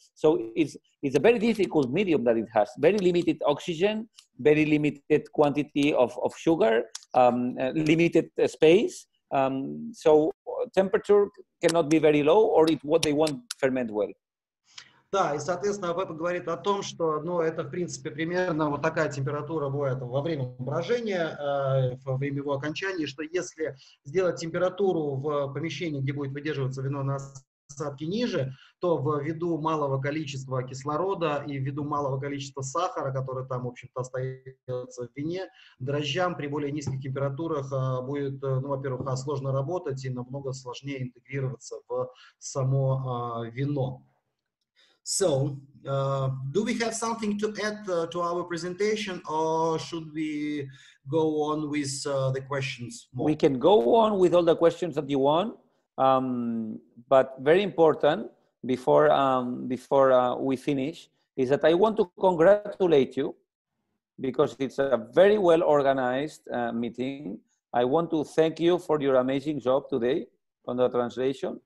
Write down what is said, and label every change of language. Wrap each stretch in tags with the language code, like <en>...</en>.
<en>So it's a very difficult medium that it has. Very limited oxygen, very limited quantity of sugar, limited space. So temperature cannot be very low, or it what they want ferment well.</en> <ru>Да, и, соответственно, Пеппа говорит о том, что, ну, это, в принципе, примерно вот такая температура будет во время брожения, во время его окончания, что если сделать температуру в помещении, где будет выдерживаться вино на осадке ниже, то ввиду малого количества кислорода и ввиду малого количества сахара, который там, в общем-то, остается в вине, дрожжам при более низких температурах будет, ну, во-первых, сложно работать и намного сложнее интегрироваться в само вино.</ru> <en>So, do we have something to add to our presentation, or should we go on with the questions more? We can go on with all the questions that you want, but very important before we finish is that I want to congratulate you, because it's a very well organized meeting. I want to thank you for your amazing job today, on the translation.</en>